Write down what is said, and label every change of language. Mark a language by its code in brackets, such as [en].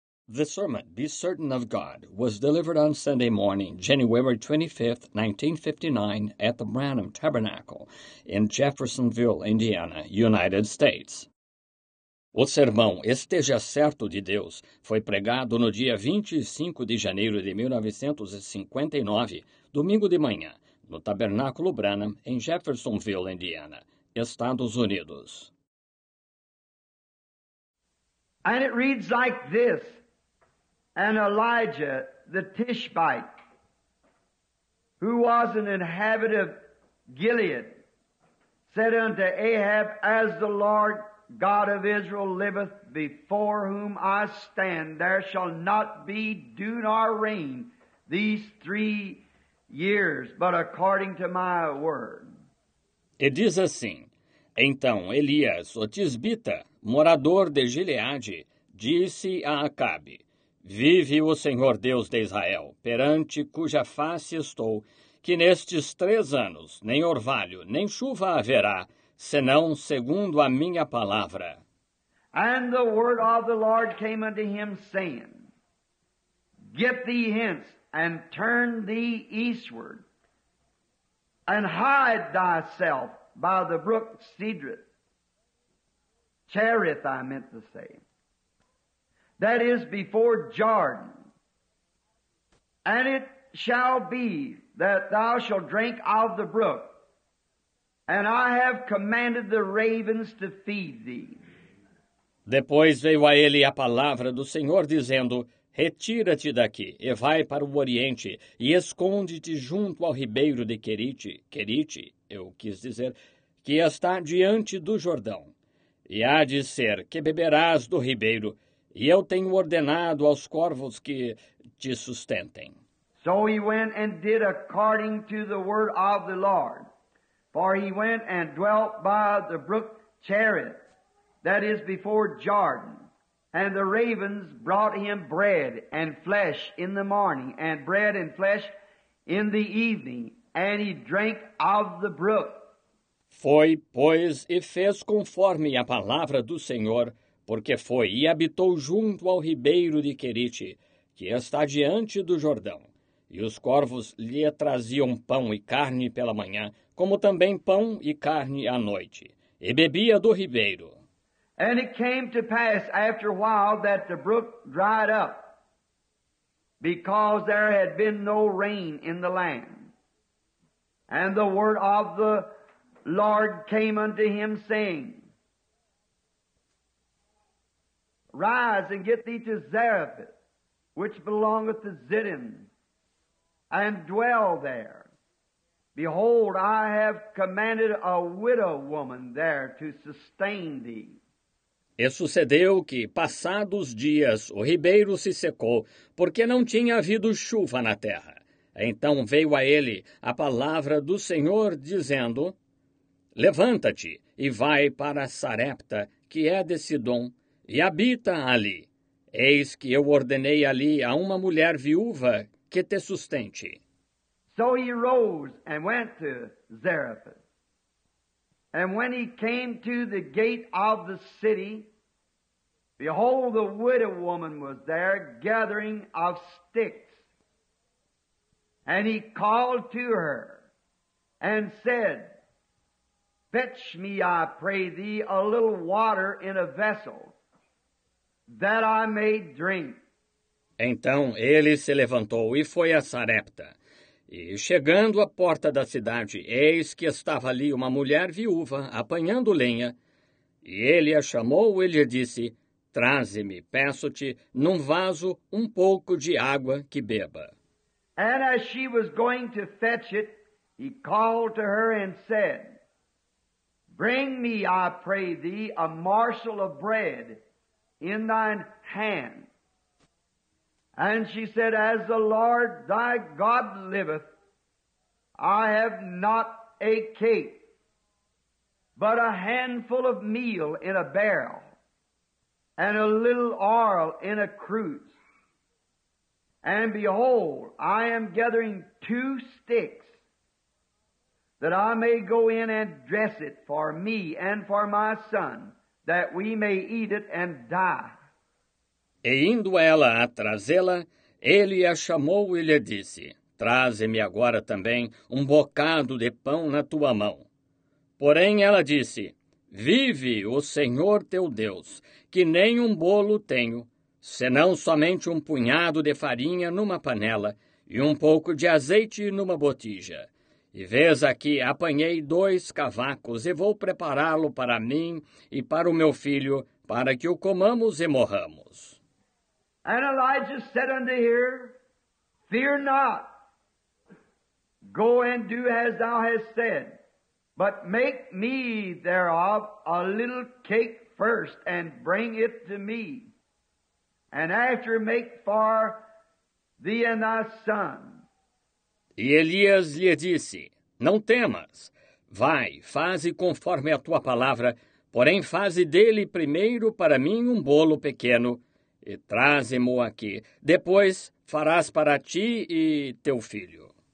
[en] The sermon, Be Certain of God, was delivered on Sunday morning, January 25, 1959, at the Branham Tabernacle in Jeffersonville, Indiana, United States. [pt] O sermão Esteja Certo de Deus foi pregado no dia 25 de janeiro de 1959, domingo de manhã, no Tabernáculo Branham, em Jeffersonville, Indiana, Estados Unidos. [en] And it reads like this. And Elijah the Tishbite, who was an inhabitant of Gilead, said unto Ahab, As the Lord God of Israel liveth, before whom I stand, there shall not be dew nor rain these 3 years, but according to my word. [pt] E diz assim, Então Elias, o Tisbita, morador de Gileade, disse a Acabe, Vive o Senhor Deus de Israel, perante cuja face estou, que nestes 3 anos nem orvalho nem chuva haverá, senão segundo a minha palavra. [en] And the word of the Lord came unto him, saying, Get thee hence, and turn thee eastward, and hide thyself by the brook Cedrith. Cherith, I meant to say. That is before Jordan. And it shall be that thou shalt drink of the brook, and I have commanded the ravens to feed thee. [pt] Depois veio a ele a palavra do Senhor, dizendo, Retira-te daqui, e vai para o oriente, e esconde-te junto ao ribeiro de Querite, Querite, eu quis dizer, que está diante do Jordão. E há de ser que beberás do ribeiro, e eu tenho ordenado aos corvos que te sustentem. [en] So he went and did according to the word of the Lord. For he went and dwelt by the brook Cherith, that is before Jordan. And the ravens brought him bread and flesh in the morning, and bread and flesh in the evening, and he drank of the brook. [pt] Foi, pois, e fez conforme a palavra do Senhor, porque foi e habitou junto ao ribeiro de Querite, que está diante do Jordão. E os corvos lhe traziam pão e carne pela manhã, como também pão e carne à noite. E bebia do ribeiro. [en] And it came to pass after a while that the brook dried up, because there had been no rain in the land. And the word of the Lord came unto him, saying, Rise, and get thee to Zarephath, which belongeth to Zidon, and dwell there. Behold, I have commanded a widow woman there to sustain thee. [pt] E sucedeu que, passados dias, o ribeiro se secou, porque não tinha havido chuva na terra. Então veio a ele a palavra do Senhor, dizendo, Levanta-te, e vai para Sarepta, que é de Sidom, e habita ali. Eis que eu ordenei ali a uma mulher viúva que te sustente. [en] So he rose and went to Zarephath. And when he came to the gate of the city, behold, the widow woman was there gathering of sticks. And he called to her and said, Fetch me, I pray thee, a little water in a vessel, that I may drink. [pt] Então ele se levantou e foi a Sarepta. E chegando à porta da cidade, eis que estava ali uma mulher viúva, apanhando lenha. E ele a chamou e lhe disse, Traze-me, peço-te, num vaso, um pouco de água que beba. [en] And as she was going to fetch it, he called to her and said, Bring me, I pray thee, a morsel of bread, in thine hand. And she said, As the Lord thy God liveth, I have not a cake, but a handful of meal in a barrel, and a little oil in a cruse. And behold, I am gathering 2 sticks, that I may go in and dress it for me and for my son, that we may eat it and die. [pt] E indo ela a trazê-la, ele a chamou e lhe disse, traze-me agora também um bocado de pão na tua mão. Porém ela disse, vive o Senhor teu Deus, que nem um bolo tenho, senão somente um punhado de farinha numa panela e um pouco de azeite numa botija. E vês aqui, apanhei dois cavacos e vou prepará-lo para mim e para o meu filho, para que o comamos e morramos. [en] And Elijah said unto her, fear not, go and do as thou hast said, but make me thereof a little cake first, and bring it to me, and after make for thee and thy son. [pt] E Elias lhe disse, não temas, vai, faze conforme a tua palavra, porém faze dele primeiro para mim um bolo pequeno, e traze-mo aqui. Depois farás para ti e teu filho.